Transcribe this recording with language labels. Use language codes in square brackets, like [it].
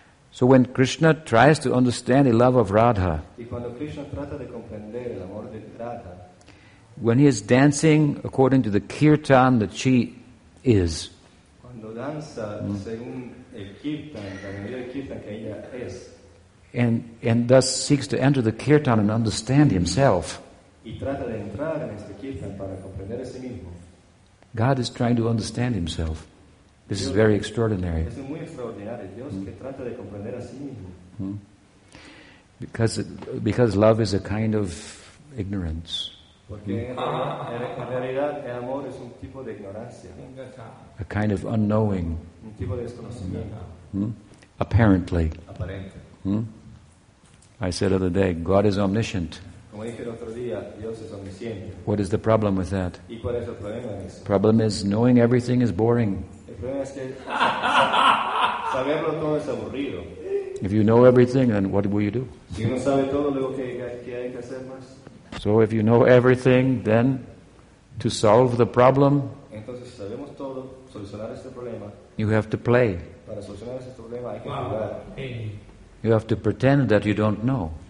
[en] So when Krishna tries to understand the love of Radha, [es] y cuando Krishna trata de comprender el amor de Radha, [en] when he is dancing according to the kirtan that she is, [es] cuando danza según el kirtan, la mayor kirtan que ella es, [en] and thus seeks to enter the kirtan and understand himself, [es] y trata de entrar en este kirtan para comprender a sí mismo. [en] God is trying to understand himself. This is very extraordinary. [es] Es muy extraordinario. Dios que trata de comprender a sí mismo. [en] Because love is a kind of ignorance. [es] Porque en realidad el amor es un tipo de ignorancia. [en] A kind of unknowing. [es] Un tipo de desconocimiento. [en] Apparently. [es] Aparente. [en] I said the other day, God is omniscient. [es] Como dije el otro día, Dios es omnisciente. [en] What is the problem with that? [es] ¿Y cuál es el problema de eso? [en] Problem is knowing everything is boring. [es] El problema es que saberlo todo es aburrido. [en] If you know everything, then what will you do? [es] Si uno sabe todo, luego qué hay que hacer más? [en] So if you know everything, then to solve the problem, [es] entonces si sabemos todo, solucionar este problema, [en] you have to play. [es] Para solucionar este problema hay que jugar. [en] You have to pretend that you don't know.